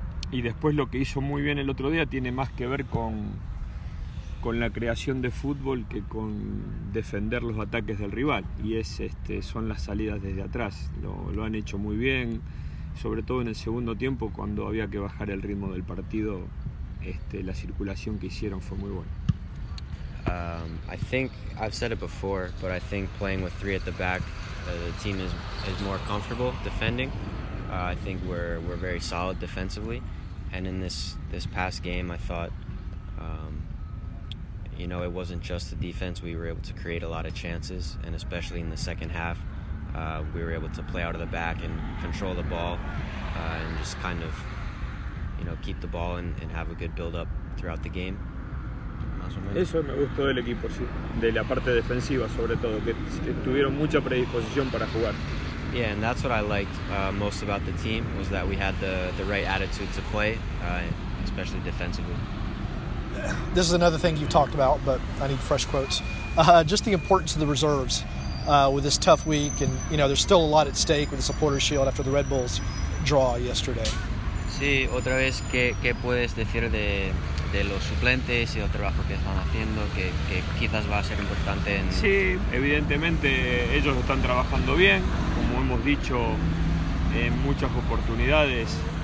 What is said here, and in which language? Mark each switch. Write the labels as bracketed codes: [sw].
[es] Y después lo que hizo muy bien el otro día tiene más que ver con la creación de fútbol que con defender los ataques del rival, y son las salidas desde atrás. Lo han hecho muy bien, sobre todo en el segundo tiempo, cuando había que bajar el ritmo del partido. La circulación que hicieron fue muy buena. [en] I think I've said it before, but I think playing with three at the back, the team is more comfortable defending. I think we're very solid defensively, and in this past game, I thought, it wasn't just the defense. We were able to create a lot of chances, and especially in the second half, we were able to play out of the back and control the ball, and just kind of, keep the ball and have a good build up throughout the game. [es] Eso me gustó del equipo, sí, de la parte defensiva sobre todo, que tuvieron mucha predisposición para jugar. [en] Yeah, and that's what I liked most about the team, was that we had the right attitude to play, especially defensively. This is another thing you've talked about, but I need fresh quotes. Just the importance of the reserves with this tough week, and there's still a lot at stake with the Supporters Shield after the Red Bulls draw yesterday. [es] Sí, otra vez, ¿qué puedes decir de los suplentes y el trabajo que están haciendo, que quizás va a ser importante? Sí, evidentemente ellos están trabajando bien, como hemos dicho en muchas oportunidades.